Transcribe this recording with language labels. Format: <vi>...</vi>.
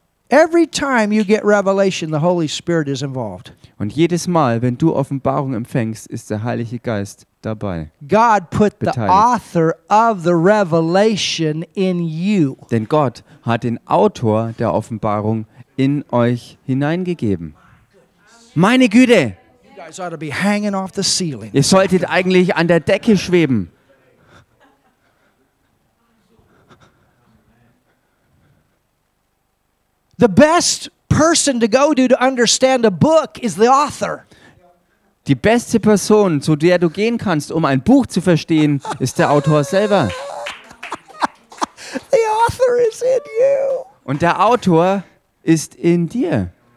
<en>Every time you get revelation, the Holy Spirit is involved.</en> <de>Und jedes Mal, wenn du Offenbarung empfängst, ist der Heilige Geist dabei.</de> <en>God put the author of the revelation in you.</en> <de>Denn Gott hat den Autor der Offenbarung in euch hineingegeben. Meine Güte! Ihr solltet eigentlich an der Decke schweben.</de> <en>The best person to go to understand a book is the author.</en> <de>Die beste Person, zu der du gehen kannst, um ein Buch zu verstehen, ist der Autor selber.</de> <en>The author is in you.</en> <de>Und der Autor ist in dir.</de>